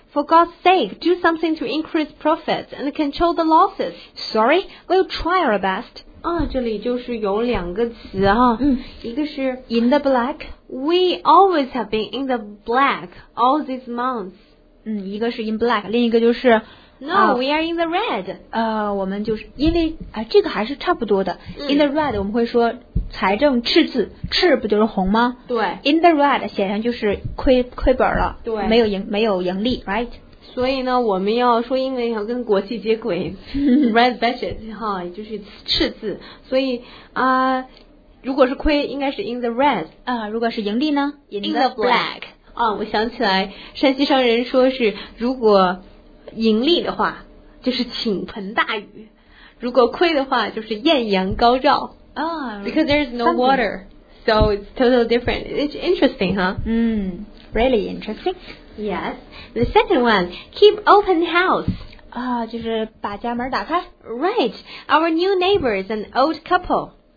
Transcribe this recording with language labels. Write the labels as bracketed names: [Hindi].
[English] For God's sake, do something to increase profits and control the losses. Sorry, we'll try our best. [Chinese] 这里就是有两个词啊。一个是 [English] in the black. We always have been in the black all these months. [Chinese] 一个是 [English] in black， [Chinese] 另一个就是 [English] No, we are in the red。 [Chinese] 我们就是因为这个还是差不多的。 [English] In the red， [Chinese] 我们会说财政赤字，赤不就是红吗？对。 [English] In the red， [Chinese] 显然就是亏本了，对，没有盈利 ， [English] right？ [Chinese] 所以呢，我们要说英文要跟国际接轨， [English] red budget [Chinese] 哈，就是赤字。所以如果是亏，应该是 in the red。如果是盈利呢 [English] ？In the black。 [Chinese] 我想起来山西商人说是如果盈利的话就是倾盆大雨，如果亏的话就是艳阳高照。 [English] Because there is no water, so it's totally different. It's interesting, huh? Really interesting. Yes. The second one, keep open house. [Chinese] 就是把家门打开。 [English] Right. Our new neighbor is an old couple.